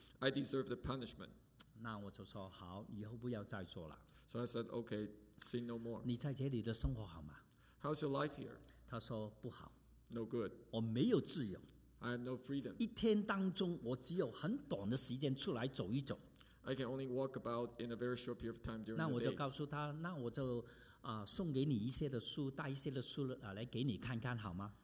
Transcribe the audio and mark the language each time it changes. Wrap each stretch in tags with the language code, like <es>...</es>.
<en>I deserve the punishment.</en> <zh>那我就说好，以后不要再做了。</zh> <en>So I said, okay, sin no more.</en> <zh>你在这里的生活好吗</zh> <en>？How's your life here?</en> <zh>他说不好。</zh> <en>No good.</en> <zh>我没有自由。</zh> <en>I have no freedom.</en> <zh>一天当中，我只有很短的时间出来走一走。</zh> <en>I can only walk about in a very short period of time during the day.</en> <zh>那我就告诉他，那我就送给你一些的书，带一些的书来给你看看好吗</zh>